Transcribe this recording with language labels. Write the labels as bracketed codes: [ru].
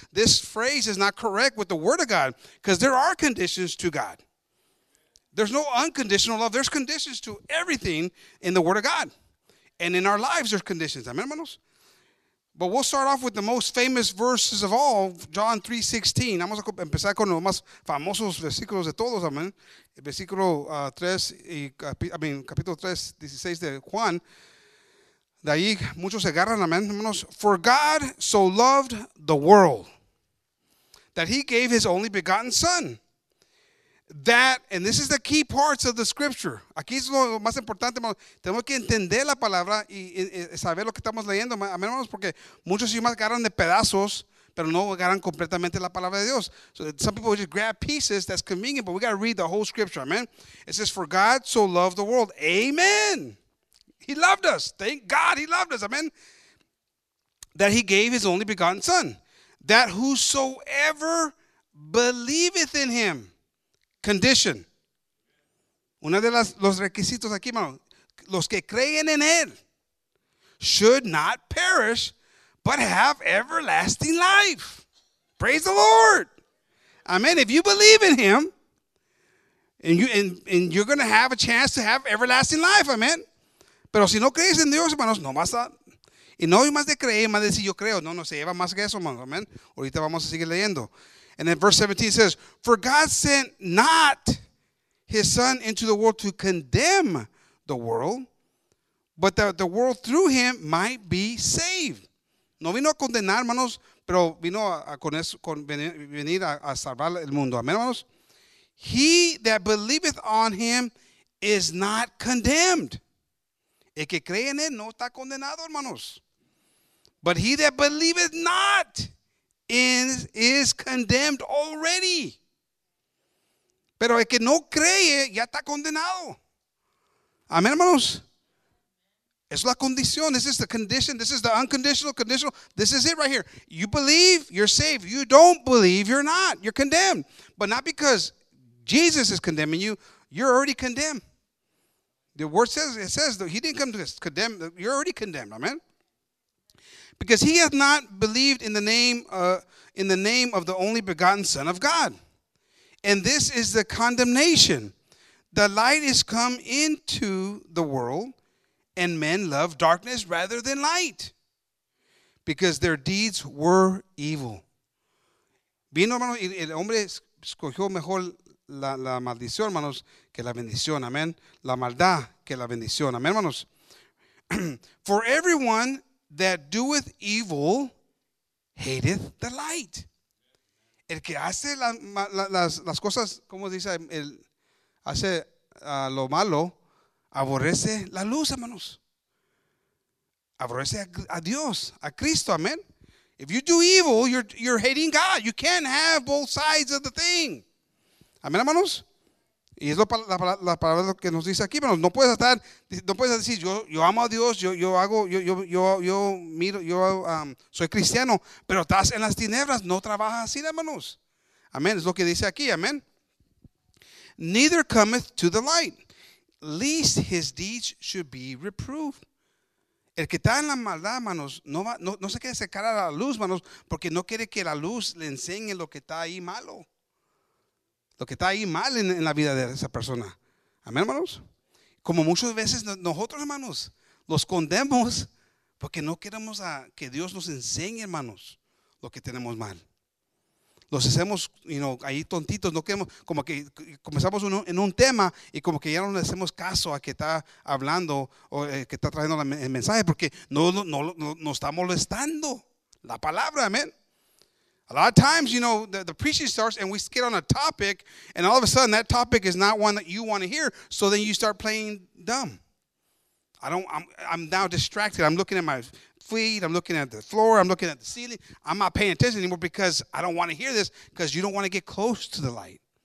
[en] This phrase is not correct with the word of God, because there are conditions to God. There's no unconditional love. There's conditions to everything in the Word of God. And in our lives, there's conditions. Amen, hermanos? But we'll start off with the most famous verses of all, John 3:16. [es] Vamos a empezar con los más famosos versículos de todos. Amen. Versículo 3, capítulo 3:16 de Juan. De ahí muchos se agarran. Amen, hermanos. [en] For God so loved the world that he gave his only begotten Son. That, and this is the key parts of the scripture. [es] Aquí es lo más importante, hermanos. Tenemos que entender la palabra y saber lo que estamos leyendo. Amén, hermanos, porque muchos idiomas agarran de pedazos, pero no agarran completamente la palabra de Dios. [en] So some people just grab pieces, that's convenient, but we got to read the whole scripture, amen. It says, for God so loved the world. Amen. He loved us. Thank God he loved us, amen. that he gave his only begotten son, that whosoever believeth in him, condition. [es] Una de los requisitos aquí, hermano, los que creen en él, [en] should not perish, but have everlasting life. Praise the Lord. [es] Amen. [en] If you believe in him, and you're going to have a chance to have everlasting life. Amen. [es] Pero si no crees en Dios, hermanos, no más. Y no hay más de creer, más de decir yo creo. No, no, se lleva más que eso, hermanos. Amen. Ahorita vamos a seguir leyendo. [en] And then verse 17 says, for God sent not his son into the world to condemn the world, but that the world through him might be saved. [es] No vino a condenar, hermanos, pero vino a venir a salvar el mundo. Amen, hermanos. [en] He that believeth on him is not condemned. [es] El que cree en él no está condenado, hermanos. [en] But he that believeth not is condemned already. [es] Pero el que no cree ya está condenado. Amen, hermanos. Es la condición. [en] This is the condition. This is the unconditional conditional. This is it right here. You believe, you're saved. You don't believe, you're not. You're condemned. But not because Jesus is condemning you. You're already condemned. The word says, it says that he didn't come to this. Condemn. You're already condemned. Amen. Because he hath not believed in the name of the only begotten Son of God. And this is the condemnation. The light is come into the world, and men love darkness rather than light, because their deeds were evil. [es] Vino, hermano, y el hombre escogió mejor la maldición, hermanos, que la bendición, amen. La maldad que la bendición, amen, hermanos. [en] For everyone that doeth evil hateth the light. [es] El que hace las cosas, como dice, el hace lo malo, aborrece la luz, hermanos. Aborrece a Dios, a Cristo, [en] amen. If you do evil, you're hating God. You can't have both sides of the thing. [es] Amen, hermanos. Y es la palabra que nos dice aquí, hermanos. No puedes decir, yo amo a Dios, yo soy cristiano, pero estás en las tinieblas, no trabajas así, hermanos. Amen, es lo que dice aquí, amen. [en] Neither cometh to the light, lest his deeds should be reproved. [es] El que está en la maldad, manos, no se quiere acercar a la luz, manos, porque no quiere que la luz le enseñe lo que está ahí malo. Lo que está ahí mal en la vida de esa persona. Amén, hermanos. Como muchas veces nosotros, hermanos, los condenamos porque no queremos que Dios nos enseñe, hermanos, lo que tenemos mal. Los hacemos, ahí tontitos, no queremos, como que comenzamos en un tema y como que ya no le hacemos caso a que está hablando o que está trayendo el mensaje porque no está molestando la palabra, amén. [en] A lot of times, the preaching starts and we get on a topic and all of a sudden that topic is not one that you want to hear, so then you start playing dumb. I'm now distracted. I'm looking at my feet, I'm looking at the floor, I'm looking at the ceiling. I'm not paying attention anymore because I don't want to hear this, because you don't want to get close to the light.